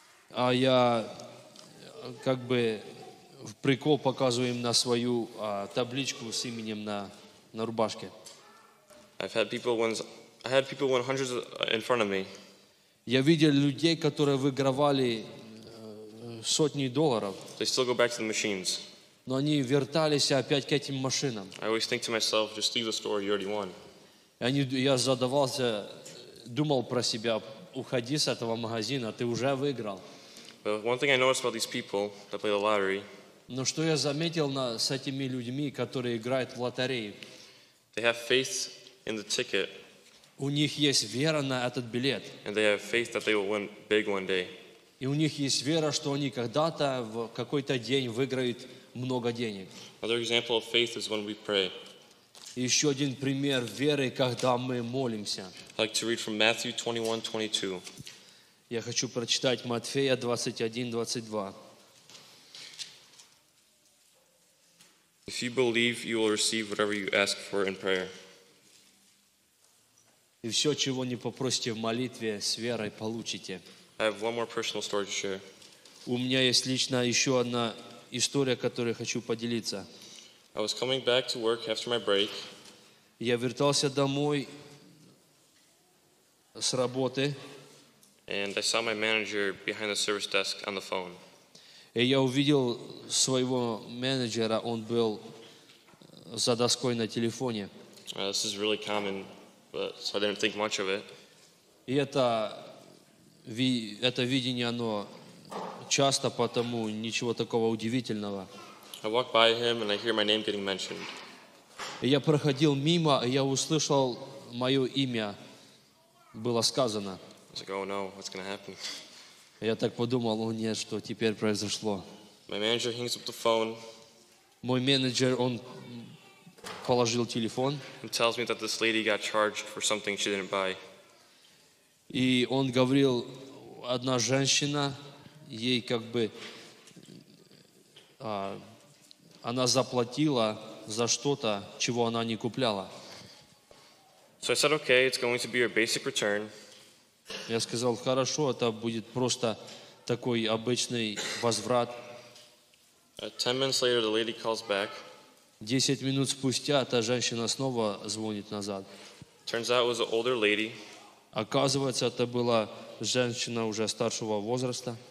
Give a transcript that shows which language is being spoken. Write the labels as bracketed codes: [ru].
[ru] А я как бы в прикол показываю им на свою табличку с именем на рубашке. [en] I had people win hundreds in front of me. [ru] Я видел людей, которые выигрывали сотни долларов. [en] They still go back to the machines. [ru] Но они вертались опять к этим машинам. [en] I always think to myself, just leave the store, you already won. [ru] Я задавался, думал про себя, уходи с этого магазина, ты уже выиграл. [en] But one thing I noticed about these people that play the lottery. [ru] Но что я заметил с этими людьми, которые играют в лотереи? [en] They have faith in the ticket. [ru] У них есть вера на этот билет. [en] And they have faith that they will win big one day. [ru] И у них есть вера, что они когда-то в какой-то день выиграют много денег. [en] Another example of faith is when we pray. [ru] Еще один пример веры, когда мы молимся. [en] I'd like to read from Matthew 21:22. [ru] Я хочу прочитать Матфея 21:22. [en] If you believe, you will receive whatever you ask for in prayer. [ru] И все, чего не попросите в молитве, с верой получите. [en] I have one more personal story to share. [ru] У меня есть лично еще одна история, которой хочу поделиться. [en] I was coming back to work after my break. [ru] Я вертался домой с работы. [en] And I saw my manager behind the service desk on the phone. [ru] И я увидел своего менеджера, он был за доской на телефоне. [en] This is really common, but so I didn't think much of it. [ru] И это видение, оно часто, потому ничего такого удивительного. [en] I walk by him and I hear my name getting mentioned. [ru] Я проходил мимо, и я услышал мое имя было сказано. [en] I was like, oh no, what's gonna happen? [ru] Я так подумал, о нет, что теперь произошло. [en] My manager hangs up the phone. [ru] Мой менеджер, он положил телефон. [en] And tells me that this lady got charged for something she didn't buy. [ru] И он говорил, одна женщина, ей как бы, она заплатила за что-то, чего она не купляла. [en] So I said, okay, it's going to be your basic return. [ru] Я сказал, хорошо, это будет просто такой обычный возврат. [en] 10 minutes later, the lady calls back. [ru] 10 минут спустя та женщина снова звонит назад. [en] Turns out it was an older lady. [ru] Оказывается, это была женщина уже старшего возраста.